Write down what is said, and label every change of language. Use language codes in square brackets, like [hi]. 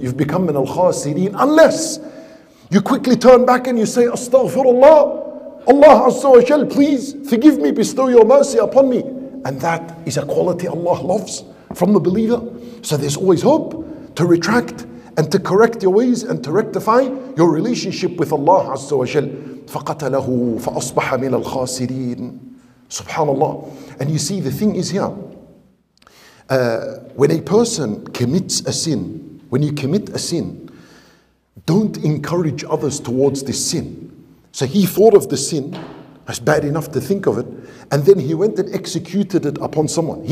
[en] You've become an al-khasirin. Unless you quickly turn back and you say, Astaghfirullah. Allah Azza wa Jal, please forgive me, bestow your mercy upon me. And that is a quality Allah loves from the believer. So there's always hope to retract and to correct your ways and to rectify your relationship with Allah Azza wa Jal. [ar] فَقَتَلَهُ فَأَصْبَحَ مِنَ الْخَاسِرِينَ SubhanAllah. [en] And you see, the thing is here, when a person commits a sin, when you commit a sin, don't encourage others towards this sin. So he thought of the sin, that's bad enough to think of it, and then he went and executed it upon someone.